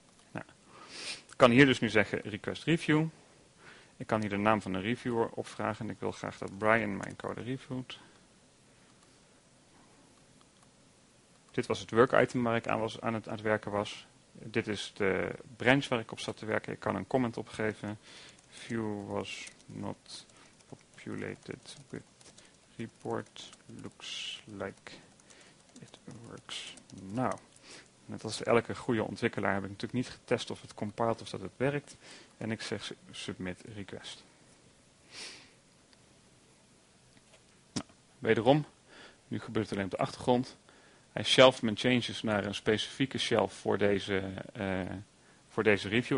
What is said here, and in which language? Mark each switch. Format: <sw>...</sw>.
<nl>Nou, ik kan hier dus nu zeggen request review. Ik kan hier de naam van de reviewer opvragen en ik wil graag dat Brian mijn code reviewt. Dit was het work item waar ik aan het werken was. Dit is de branch waar ik op zat te werken. Ik kan een comment opgeven.</nl> <en>View was not populated with report. Looks like it works now.</en> <nl>Net als elke goede ontwikkelaar heb ik natuurlijk niet getest of het compiled of dat het werkt. En ik zeg submit request. Nou, wederom, nu gebeurt het alleen op de achtergrond. Hij shelft mijn changes naar een specifieke shelf voor deze review.</nl>